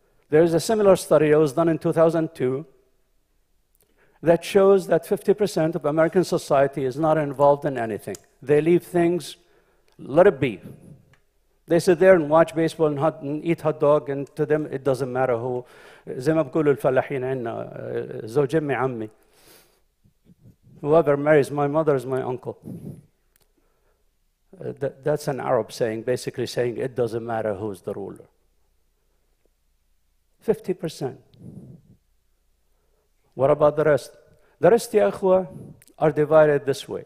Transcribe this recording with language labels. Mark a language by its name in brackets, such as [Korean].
[English] There is a similar study that was done in 2002 that shows that 50% of American society is not involved in anything. They leave things, let it be. They sit there and watch baseball and eat hot dog, and to them it doesn't matter who. [Arabic] زي ما بقولوا الفلاحين عنا زوج أمي عمي. [English] Whoever marries my mother is my uncle. That's an Arab saying, basically saying it doesn't matter who's the ruler. 50%. What about the rest? The rest, [Arabic] ya ikhwa, [English] are divided this way.